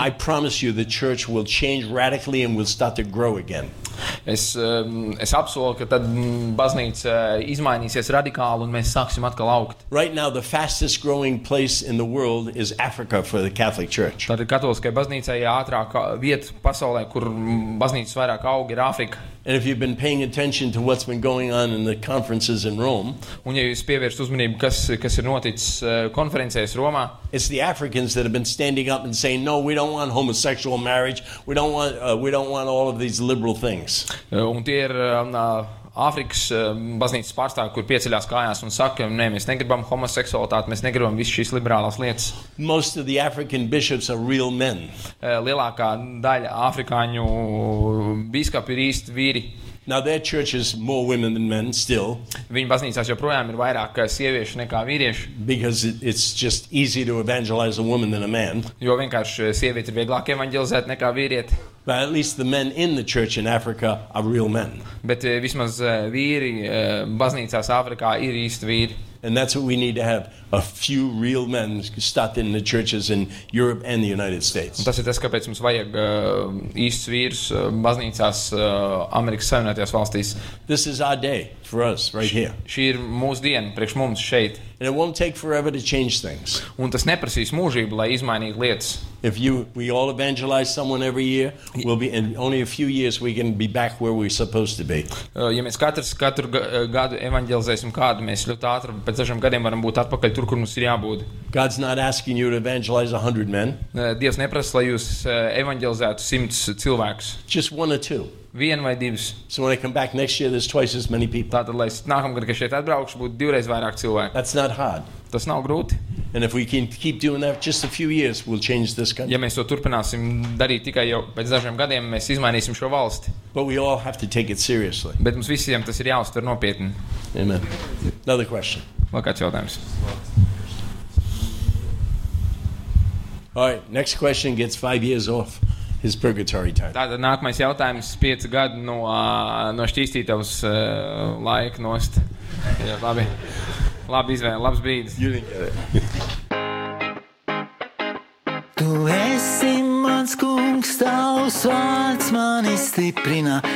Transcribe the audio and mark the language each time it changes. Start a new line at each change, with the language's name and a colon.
English: I promise you the church will change radically and will start to grow again.
Latvian: es apsolu, ka tad baznīca izmainīsies radikāli un mēs sāksim atkal augt.
English: Right now the fastest growing place in the world is Africa for the Catholic Church.
Latvian: Tad katoliskajai baznīcai ātrāk vieta pasaulē, kur baznīcas vairāk aug, ir Āfrika.
English: And if you've been paying attention to what's been going on in the conferences in Rome,
Latvian: un ja jūs pievērst uzmanību, kas ir noticis konferencēs Romā,
English: it's the Africans that have been standing up and saying, no, we don't want homosexual marriage, we don't want all of these liberal things.
Latvian: Un tie ir Āfrikas baznīcas pārstāvji, kur pieceļās kājās un saka, nē, mēs negribam homoseksualitāti, mēs negribam visu šīs liberālās lietas.
English: Most of the African bishops are real men.
Latvian: Lielākā daļa afrikāņu biskapi ir īsti vīri.
English: Now their church is more women than men still.
Latvian: Viņu baznīcās joprojām ir vairāk sieviešu nekā vīriešu.
English: Because it's just easy to evangelize a woman than a man.
Latvian: Jo vienkārši sievieti ir vieglāk evangelizēt nekā vīrieti.
English: But at least the men in the church in Africa are real men.
Latvian: Bet vismaz vīri baznīcās Āfrikā ir īsti vīri.
English: And that's what we need to have a few real men start in the churches in Europe and the United States.
Latvian: Un tas ir tas, kāpēc mums vajag īsts vīrs baznīcās Amerikas Savienotajās valstīs.
English: This is our day for us right here.
Latvian: Šī ir mūsu diena priekš mums šeit.
English: And it won't take forever to change things.
Latvian: Un tas neprasīs mūžību, lai izmainītu lietas.
English: If we all evangelize someone every year, we'll be in only a few years we can be back where we're supposed to be.
Latvian: Ja mēs katru gadu evangelizēsim kādu, mēs ļoti ātri pēc dažiem gadiem varam būt atpakaļ tur, kur mums ir jābūt.
English: God's not asking you to evangelize 100 men.
Latvian: Dievs neprasa, lai jūs evangelizētu 100 cilvēkus.
English: Just one or two.
Latvian: Vien vai divas.
English: So when I come back next year, there's twice as many people.
Latvian: Tātad, lai nākamgad, kad šeit atbraukšu, būtu divreiz vairāk cilvēku.
English: That's not hard.
Latvian: Tas nav grūti.
English: And if we can keep doing that just a few years, we'll change this country.
Latvian: Ja mēs to turpināsim darīt tikai jau pēc dažiem gadiem, mēs izmainīsim šo valsti.
English: But we all have to take it seriously.
Latvian: Bet mums visiem tas ir jāuztver nopietni.
English: Amen. Another question.
Latvian: Vēl kāds jautājums.
English: All right, next question gets 5 years off. His purgatory time.
Latvian: Tātad nākamais jautājums 5 gadu no šķīstītavas laika nost. Jā, labi. Labi izvēle, labs brīdis.
English: You didn't get it.
Latvian: Tu esi mans kungs, tavs vārds mani stiprina.